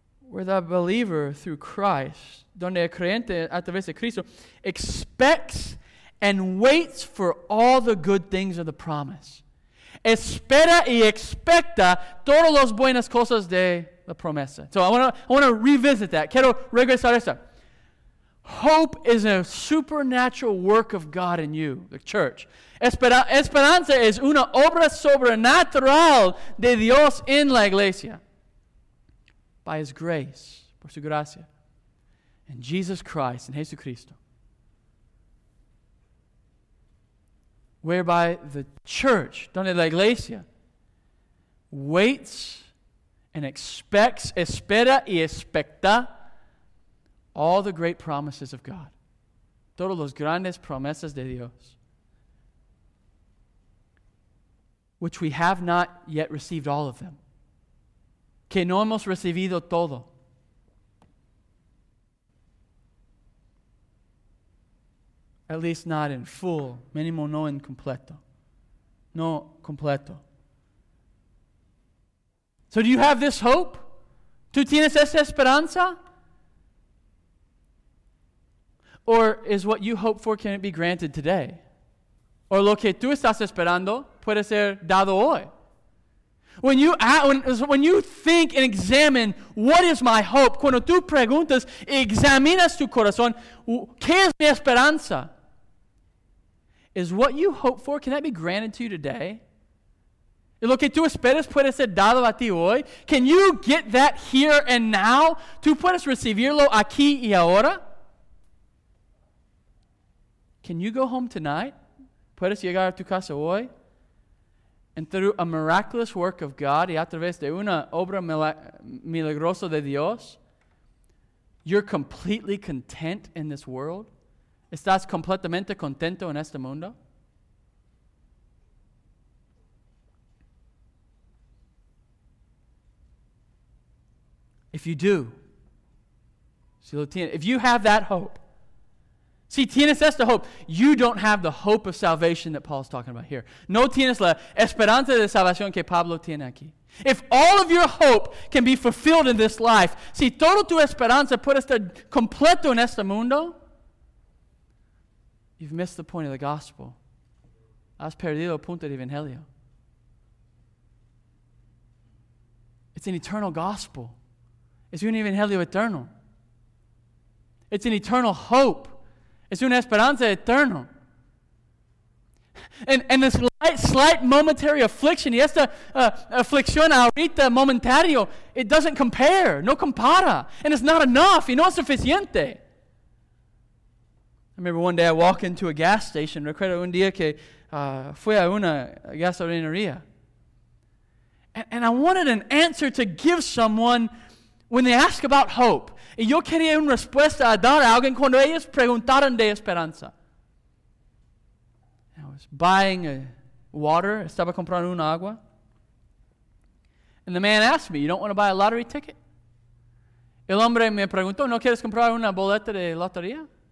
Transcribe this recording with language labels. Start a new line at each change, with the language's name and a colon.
English: Where the believer through Christ,
Spanish: donde el creyente a través de Cristo,
English: expects and waits for all the good things of the promise.
Spanish: Espera y expecta todas las buenas cosas de la promesa.
English: So I want to revisit that.
Spanish: Quiero regresar a eso.
English: Hope is a supernatural work of God in you, the church.
Spanish: Esperanza es una obra sobrenatural de Dios en la iglesia.
English: By his grace,
Spanish: por su gracia,
English: in Jesus Christ, in Jesucristo, whereby the church,
Spanish: donde la iglesia,
English: waits and expects,
Spanish: espera y expecta
English: all the great promises of God.
Spanish: Todos los grandes promesas de Dios,
English: which we have not yet received all of them.
Spanish: Que no hemos recibido todo.
English: At least not in full.
Spanish: Mínimo no en completo. No completo.
English: So do you have this hope?
Spanish: ¿Tú tienes esa esperanza?
English: Or is what you hope for, can it be granted today?
Spanish: Or lo que tú estás esperando puede ser dado hoy?
English: When you think and examine, what is my hope?
Spanish: Cuando tú preguntas, examinas tu corazón, ¿qué es mi esperanza?
English: Is what you hope for, can that be granted to you today?
Spanish: Lo que tú esperas puede ser dado a ti hoy.
English: Can you get that here and now?
Spanish: ¿Tú puedes recibirlo aquí y ahora?
English: Can you go home tonight?
Spanish: ¿Puedes llegar a tu casa hoy?
English: And through a miraculous work of God
Spanish: y a través de una obra milagrosa de Dios,
English: you're completely content in this world?
Spanish: ¿Estás completamente contento en este mundo?
English: If you do,
Spanish: si lo tiene,
English: if you have that hope,
Spanish: si tienes esta hope,
English: you don't have the hope of salvation that Paul's talking about here.
Spanish: No tienes la esperanza de salvación que Pablo tiene aquí.
English: If all of your hope can be fulfilled in this life,
Spanish: si toda tu esperanza puede estar completo en este mundo,
English: you've missed the point of the gospel.
Spanish: Has perdido el punto del evangelio.
English: It's an eternal gospel.
Spanish: Es un evangelio eterno.
English: It's an eternal hope.
Spanish: Es una esperanza eterna.
English: And this slight momentary affliction,
Spanish: y esta aflicción ahorita momentario,
English: it doesn't compare,
Spanish: no compara.
English: And it's not enough,
Spanish: y no es suficiente.
English: I remember one day I walked into a gas station.
Spanish: Recuerdo un día que fui a una gasolinería.
English: And I wanted an answer to give someone when they ask about hope.
Spanish: Y yo quería una respuesta a dar a alguien cuando ellos preguntaron de esperanza.
English: I was buying a water.
Spanish: Estaba comprando un agua.
English: And the man asked me, "You don't want to buy a lottery ticket?"
Spanish: El hombre me preguntó, "¿No quieres comprar una boleta de lotería?"